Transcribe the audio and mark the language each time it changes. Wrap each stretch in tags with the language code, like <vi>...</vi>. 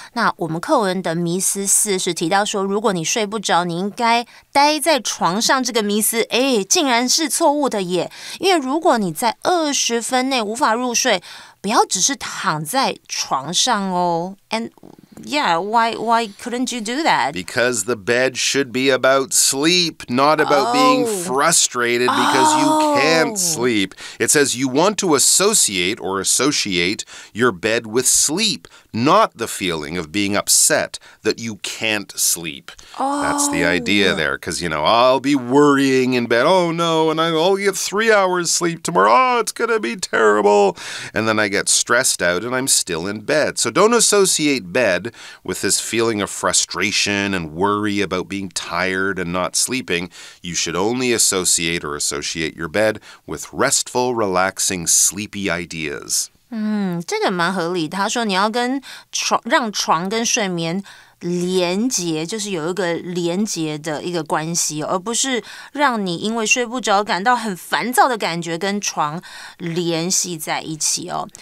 <zh>那我们课文的迷思四是提到说，如果你睡不着，你应该待在床上。这个迷思，哎，竟然是错误的耶！因为如果你在20分内无法入睡，不要只是躺在床上哦。</zh> <en>And yeah, why couldn't you do that? Because the bed should be about sleep, not about being frustrated because you can't sleep. It says you want to associate your bed with sleep, not the feeling of being upset that you can't sleep. That's the idea there, because, you know, I'll be worrying in bed. Oh, no, and I only get 3 hours sleep tomorrow. Oh, it's going to be terrible. And then I get stressed out and I'm still in bed. So don't associate bed with this feeling of frustration and worry about being tired and not sleeping. You should only associate your bed with restful, relaxing, sleepy ideas.</en> <zh>这个蛮合理的。他说你要跟床，让床跟睡眠连接，就是有一个连接的一个关系，而不是让你因为睡不着感到很烦躁的感觉跟床联系在一起哦。</zh>